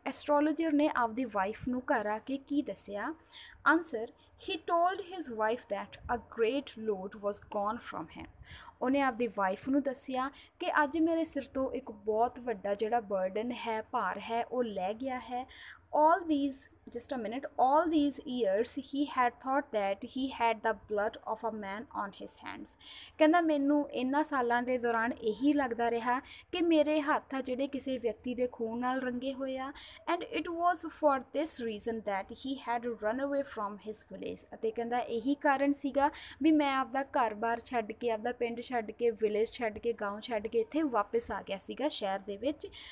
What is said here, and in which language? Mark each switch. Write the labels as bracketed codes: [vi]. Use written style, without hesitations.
[pa] Astrologer ਨੇ ਆਪਦੀ wife ਨੂੰ ਘਰ ਆ ਕੇ ਕੀ ਦੱਸਿਆ? [en] Answer, he told his wife that a great load was gone from him. [pa] ਉਹਨੇ ਆਪਦੀ ਵਾਈਫ ਨੂੰ ਦੱਸਿਆ ਕਿ ਅੱਜ ਮੇਰੇ ਸਿਰ ਤੋਂ ਇੱਕ ਬਹੁਤ ਵੱਡਾ ਜਿਹੜਾ ਬਰਡਨ ਹੈ, ਭਾਰ ਹੈ, ਉਹ ਲੈ ਗਿਆ ਹੈ। [en] All these, just a minute, all these years he had thought that he had the blood of a man on his hands. [pa] ਕਹਿੰਦਾ ਮੈਨੂੰ ਇਹਨਾਂ ਸਾਲਾਂ ਦੇ ਦੌਰਾਨ ਇਹੀ ਲੱਗਦਾ ਰਿਹਾ ਕਿ ਮੇਰੇ ਹੱਥ ਆ ਜਿਹੜੇ ਕਿਸੇ ਵਿਅਕਤੀ ਦੇ ਖੂਨ ਨਾਲ ਰੰਗੇ ਹੋਏ ਆ [en] And it was for this reason that he had run away from his village. [pa] ਅਤੇ ਕਹਿੰਦਾ ਇਹੀ ਕਾਰਨ ਸੀਗਾ ਵੀ ਮੈਂ ਆਪਦਾ ਘਰ ਬਾਰ ਛੱਡ ਕੇ, ਆਪਦਾ ਪਿੰਡ ਛੱਡ ਕੇ, ਵਿਲੇਜ ਛੱਡ ਕੇ, ਗਾਓਂ ਛੱਡ ਕੇ ਇੱਥੇ ਵਾਪਸ ਆ ਗਿਆ ਸੀਗਾ ਸ਼ਹਿਰ ਦੇ ਵਿੱਚ।